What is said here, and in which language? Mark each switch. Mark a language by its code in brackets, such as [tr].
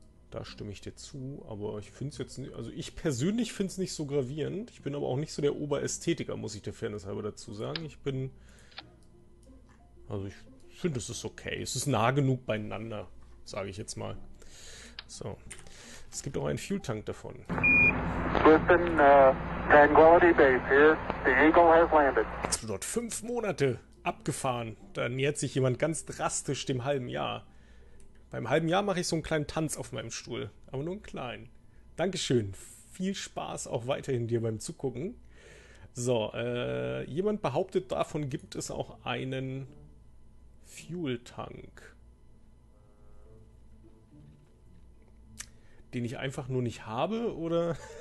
[de] Da stimme ich dir zu, aber ich finde es jetzt nicht, also ich persönlich finde es nicht so gravierend. Ich bin aber auch nicht so der Oberästhetiker, muss ich der Fairness halber dazu sagen. Ich bin, also ich finde, es ist okay. Es ist nah genug beieinander, sage ich jetzt mal. So. Es gibt auch einen Fuel Tank davon. [en] Listen, Tranquility Base here. The Eagle has landed. [de] Dort 5 Monate abgefahren. Da nähert sich jemand ganz drastisch dem halben Jahr. Beim halben Jahr mache ich so einen kleinen Tanz auf meinem Stuhl. Aber nur einen kleinen. Dankeschön. Viel Spaß auch weiterhin dir beim Zugucken. So, jemand behauptet, davon gibt es auch einen Fuel Tank, den ich einfach nur nicht habe, oder?